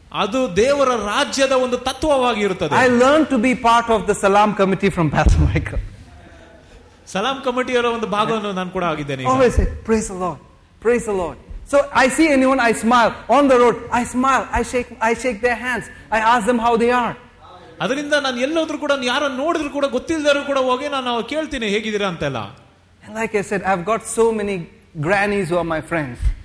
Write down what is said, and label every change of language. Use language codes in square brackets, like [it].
[kn] ಅದು ದೇವರ ರಾಜ್ಯದ ಒಂದು ತತ್ವವಾಗಿ ಇರುತ್ತದೆ. [en] I learned to be part of the Salam committee from Pastor Michael. [kn] Salam committee ಅವರ ಒಂದು ಭಾಗವನ್ನು ನಾನು ಕೂಡ ಆಗಿದ್ದೇನೆ. [en] Always say, praise the Lord, praise the Lord. So I see anyone, I smile on the road, I smile, I shake their hands, I ask them how they are. [kn] ಅದರಿಂದ ನಾನು ಎಲ್ಲೋದ್ರೂ ಕೂಡ ಯಾರನ್ನ ನೋಡಿದ್ರು ಕೂಡ ಗೊತ್ತಿಲ್ಲದರೂ ಕೂಡ ಹೋಗಿ ನಾನು ಕೇಳ್ತೀನಿ ಹೇಗಿದ್ದೀರಾ ಅಂತೆಲ್ಲ. [en] And like I said, I've got so many grannies who are my friends.